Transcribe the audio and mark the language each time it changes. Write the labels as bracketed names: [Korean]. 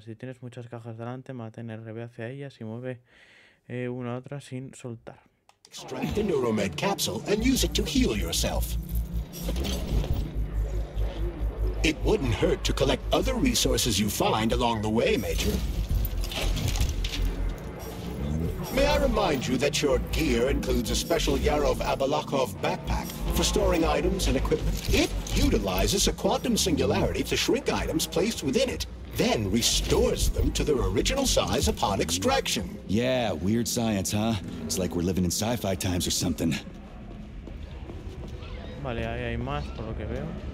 [Spanish] Si tienes muchas cajas delante, mantén el RB hacia ellas y mueve una a otra sin soltar. [English] Extract the Neuromed capsule and use it to heal yourself. It wouldn't hurt to collect other resources you find along the way, Major. May I remind you that your gear includes a special Yarov Abalakov backpack for storing items and equipment. It utilizes a quantum singularity to shrink items placed within it, then restores them to their original size upon extraction. Yeah, weird science, huh? It's like we're living in sci-fi times or something. [Spanish] Vale, ahí hay más por lo que veo.